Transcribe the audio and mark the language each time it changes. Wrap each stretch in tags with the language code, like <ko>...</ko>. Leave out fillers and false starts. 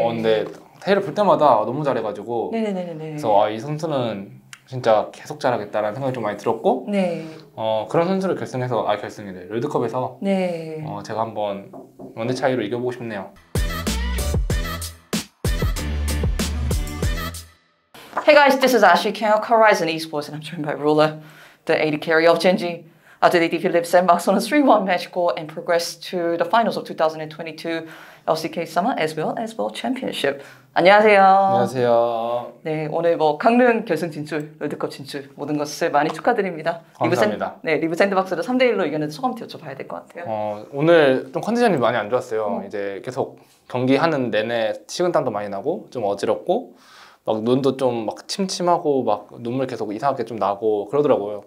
<ko>근데 태일을 볼 때마다 너무 잘해가지고 네. 그래서 아, 이 선수는 진짜 계속 잘하겠다라는 생각이 좀 많이 들었고 그런 선수를 결승해서 아 결승이래 롤드컵에서 제가 한번 원대차이로 이겨보고 싶네요.</ko> <en>Hey guys, this is Ashley King of Horizon Esports, and I'm joined by Ruler, the AD carry of Gen.G. After they defeated Sandbox on a 3-1 match score and progressed to the finals of 2022 LCK Summer as well as World Championship.</en> <ko>안녕하세요. 안녕하세요. 네, 오늘 뭐 강릉 결승 진출, 월드컵 진출 모든 것을 많이 축하드립니다. 감사합니다. 리브 샌드박스를 3-1로 이겼는데 소감 여쭤봐야 될 것 같아요. 오늘 좀 컨디션이 많이 안 좋았어요. 이제 계속 경기하는 내내 식은땀도 많이 나고 좀 어지럽고 막 눈도 좀 막 침침하고 막 눈물 계속 이상하게 좀 나고 그러더라고요.</ko>